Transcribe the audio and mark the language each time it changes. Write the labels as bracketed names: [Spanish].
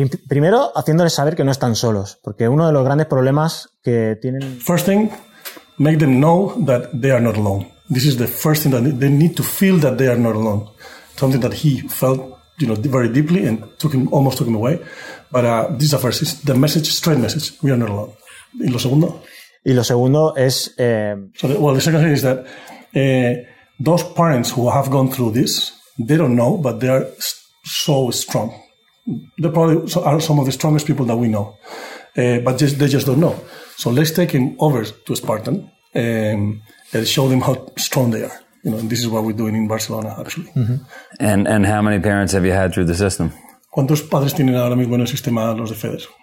[Spanish] Primero, haciéndoles saber que no están solos, porque uno de los grandes problemas que tienen... [English] First thing, make them know that they are not alone. This is the first thing that they need to feel, that they are not alone. Something that he felt, you know, very deeply and almost took him away. But this is the first, it's the message, straight message. We are not alone. [Spanish] Y lo segundo? Y lo segundo es... [English] The second thing is that those parents who have gone through this, they don't know, but they are so strong. They probably are some of the strongest people that we know. But they just don't know. So let's take him over to Spartan and show them how strong they are. You know, and this is what we're doing in Barcelona, actually. Mm-hmm. And how many parents have you had through the system? [Spanish] ¿Cuántos padres tienen ahora mismo en el sistema los de FEDER?